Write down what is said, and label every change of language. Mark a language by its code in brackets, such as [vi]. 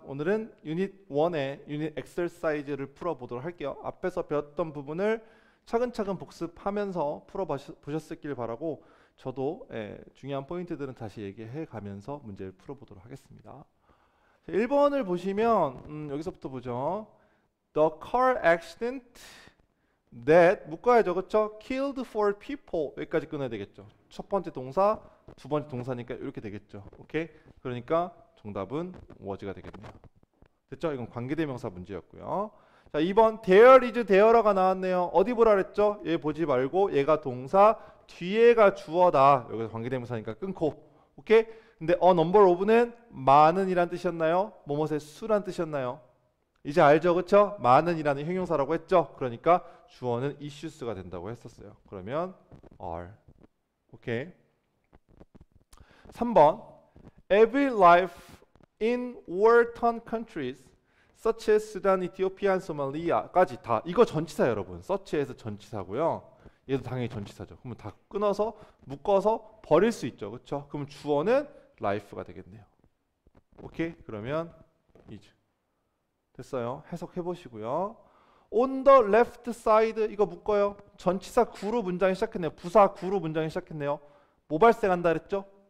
[ko] 오늘은 유닛 1의 유닛 엑셀사이즈를 풀어보도록 할게요. 앞에서 배웠던 부분을 차근차근 복습하면서 풀어보셨길 바라고, 저도 중요한 포인트들은 다시 얘기해 가면서 문제를 풀어보도록 하겠습니다. 1번을 보시면, 여기서부터 보죠. [en] The car accident that, [ko] 묵과해죠, 그렇죠? [en] Killed four people. [ko] 여기까지 끊어야 되겠죠. 첫 번째 동사, 두 번째 동사니까 이렇게 되겠죠. 오케이? 그러니까 정답은 was가 되겠네요. 됐죠? 이건 관계대명사 문제였고요. 자, 2번 [en] there is there [ko] 라가 나왔네요. 어디 보라 그랬죠? 얘 보지 말고 얘가 동사, 뒤에가 주어다. 여기서 관계대명사니까 끊고. 오케이? 근데 a number of는 많은 이란 뜻이었나요? 뭐뭇의 수란 뜻이었나요? 이제 알죠? 그렇죠? 많은 이라는 형용사라고 했죠? 그러니까 주어는 issues가 된다고 했었어요. 그러면 are. 오케이? 3번. [en] Every life in war-torn countries, such as Sudan, Ethiopia, and Somalia까지 [ko] 다. 이거 전치사 여러분. such에서 전치사고요. 얘도 당연히 전치사죠. 그러면 다 끊어서 묶어서 버릴 수 있죠. 그렇죠? 그럼 주어는 life가 되겠네요. 오케이? 그러면 is. 됐어요. 해석해 보시고요. [en] On the left side, [ko] 이거 묶어요. 전치사 구로 문장이 시작했네요. 부사 구로 문장이 시작했네요. 뭐 발생한다 그랬죠?